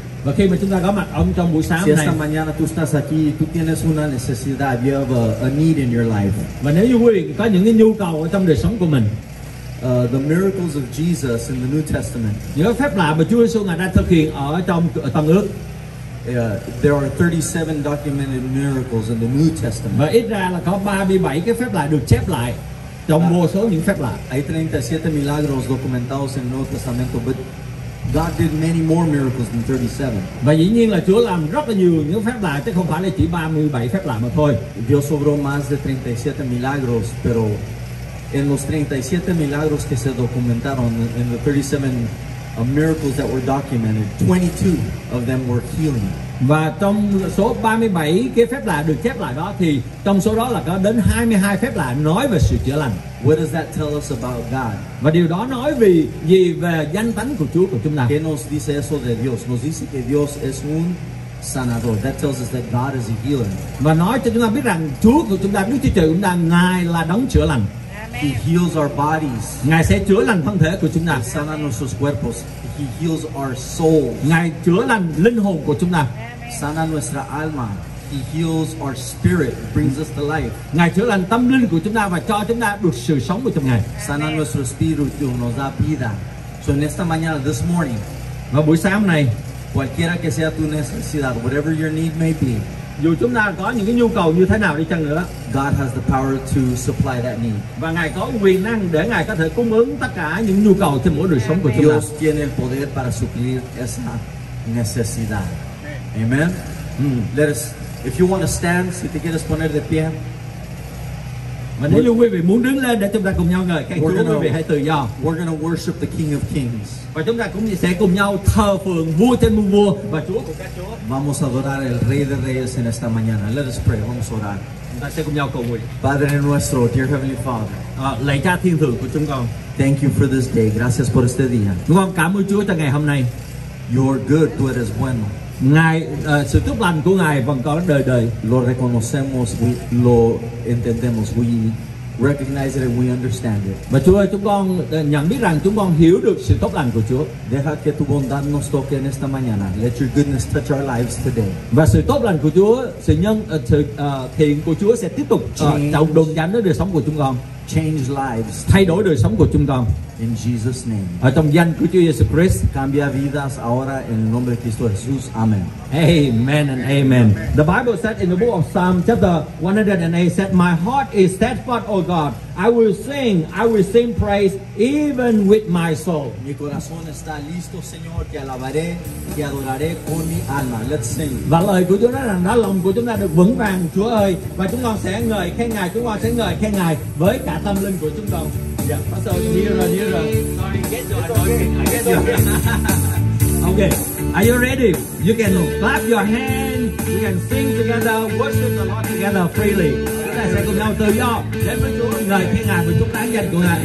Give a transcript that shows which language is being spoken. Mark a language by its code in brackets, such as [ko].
[vi] và khi mà chúng ta có mặt ông trong buổi sáng si này, [es] esta mañana tú estás aquí, tú tienes una necesidad, [en] you have a need in your life. [vi] Và nếu như quý vị có những cái nhu cầu ở trong đời sống của mình, [en] the miracles of Jesus in the New Testament. [vi] Những phép lạ mà Chúa Giêsu ngài đã thực hiện ở trong Tân Ước. [en] There are 37 documented miracles in the New Testament. [vi] Và ít ra là có 37 cái phép lạ được chép lại trong vô số những phép lạ. [es] Hay 37 milagros documentados en el Nuevo Testamento, [en] but God did many more miracles than 37. [vi] Và dĩ nhiên là Chúa làm rất là nhiều những phép lạ, chứ không phải là chỉ 37 phép lạ mà thôi. [es] Dios obró más de 37 milagros, pero en los 37 milagros que se documentaron, en los 37 [en] miracles that were documented, 22 of them were healing. [vi] Và trong số 37 cái phép lạ được chép lại đó, thì trong số đó là có đến 22 phép lạ nói về sự chữa lành. [en] What does that tell us about God? [vi] Và điều đó nói về gì về danh tánh của Chúa của chúng ta? [es] ¿Qué nos dice eso de Dios? Nos dice que Dios es un sanador. [en] That tells us that God is a healer. [vi] Và nói cho chúng ta biết rằng Chúa của chúng ta, Đức Chúa Trời cũng là Ngài là đấng chữa lành. [en] He heals our bodies. [vi] Ngài sẽ chữa lành thân thể của chúng ta. [en] He [es] sana nuestros cuerpos. [en] He heals our soul. [vi] Ngài chữa lành linh hồn của chúng ta. [es] Sana nuestra alma. [en] He heals our spirit, brings us to life. [vi] Ngài chữa lành tâm linh của chúng ta và cho chúng ta được sự sống của trong Ngài. [es] Sana nuestro espíritu, nos da vida. So en esta mañana, [en] this morning, [vi] và buổi sáng hôm nay, [es] cualquiera que sea tu necesidad, [en] whatever your need may be, [vi] dù chúng ta có những cái nhu cầu như thế nào đi chăng nữa, [en] God has the power to supply that need. [vi] Và Ngài có quyền năng để Ngài có thể cung ứng tất cả những nhu cầu trên mỗi đời sống của chúng ta. [es] Dios tiene el poder para suplir esa necesidad. [en] Amen. Let us, if you want to stand, [es] si te quieres poner de pie. [vi] Và nếu như quý vị muốn đứng lên để chúng ta cùng nhau ngợi khen Chúa, quý vị hãy tự do. [en] We're gonna worship the King of Kings. [vi] Và chúng ta cũng sẽ cùng nhau thờ phượng vua trên muôn vua và Chúa của các Chúa. [es] Vamos a adorar el Rey de Reyes en esta mañana. [en] Let us pray. [es] Vamos a orar. [vi] Chúng ta sẽ cùng nhau cầu nguyện. [es] Padre nuestro, [en] dear Heavenly Father. [vi] Lạy Cha thiên thượng của chúng con. [en] Thank you for this day. [es] Gracias por este día. [vi] Chúng con cảm ơn Chúa cho ngày hôm nay. [en] You're good. [es] Tú eres bueno. [vi] Ngài, sự tốt lành của Ngài vẫn có đời đời. [es] Lo reconocemos, lo entendemos, [en] we recognize it and we understand it. [vi] Và Chúa ơi, chúng con nhận biết rằng chúng con hiểu được sự tốt lành của Chúa. [es] Deja que tu bondad nos toque en esta mañana. [en] Let your goodness touch our lives today. [vi] Và sự tốt lành của Chúa, sự nhân, sự thiện của Chúa sẽ tiếp tục trong đồn dành đến đời sống của chúng con. [en] Change lives. [vi] Thay đổi đời sống của chúng con. [en] In Jesus' name. [vi] Ở trong danh của Chúa Jesus Christ. [es] Cambia vidas ahora en el nombre de Cristo Jesús. [en] Amen. Amen and amen. Amen. The Bible said in the book of Psalm chapter 108, said, my heart is steadfast, O God. I will sing praise even with my soul. [es] Mi corazón está listo, Señor, te alabaré, te adoraré con mi alma. [en] Let's sing. [vi] Và lời của Chúa nói rằng đó lòng của chúng ta được vững vàng, Chúa ơi, và chúng con sẽ ngợi khen Ngài, chúng con sẽ ngợi khen Ngài với cả tâm linh của chúng con. Yeah, [en] okay. Okay. Are you ready? You can clap your hands. You can sing together, worship the Lord together freely. [vi] Chúng ta sẽ cùng nhau tự do đến với Chúa, ngợi khen Ngài và chúc tán danh của Ngài.